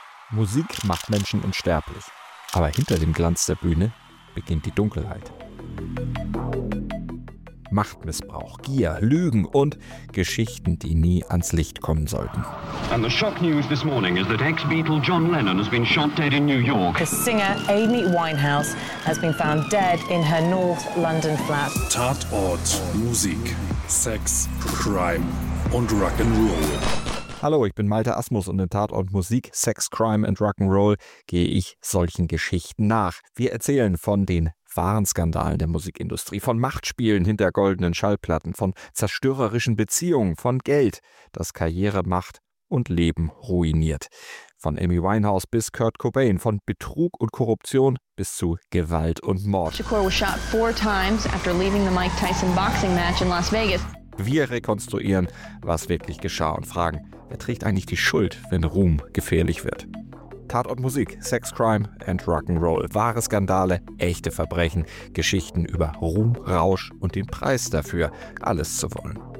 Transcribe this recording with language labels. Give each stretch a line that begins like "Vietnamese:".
German: Musik macht Menschen unsterblich. Aber hinter dem Glanz der Bühne beginnt die Dunkelheit. Machtmissbrauch, Gier, Lügen und Geschichten, die nie ans Licht kommen sollten.
English: And the shock news this morning is that ex-Beatle John Lennon has been shot dead in New York. A singer, Amy Winehouse, has been found dead in her North London flat.
German: Tatort, Musik, Sex, Crime und Rock'n'Roll. Hallo, ich bin Malte Asmus und in Tatort Musik, Sex, Crime and Rock'n'Roll gehe ich solchen Geschichten nach. Wir erzählen von den wahren Skandalen der Musikindustrie, von Machtspielen hinter goldenen Schallplatten, von zerstörerischen Beziehungen, von Geld, das Karriere, Macht und Leben ruiniert. Von Amy Winehouse bis Kurt Cobain, von Betrug und Korruption bis zu Gewalt und Mord.
English: Shakur was shot 4 times after leaving the Mike Tyson boxing match in Las Vegas.
German: Wir rekonstruieren, was wirklich geschah und fragen, wer trägt eigentlich die Schuld, wenn Ruhm gefährlich wird? Tatort Musik, Sex, Crime and Rock'n'Roll. Wahre Skandale, echte Verbrechen, Geschichten über Ruhm, Rausch und den Preis dafür, alles zu wollen.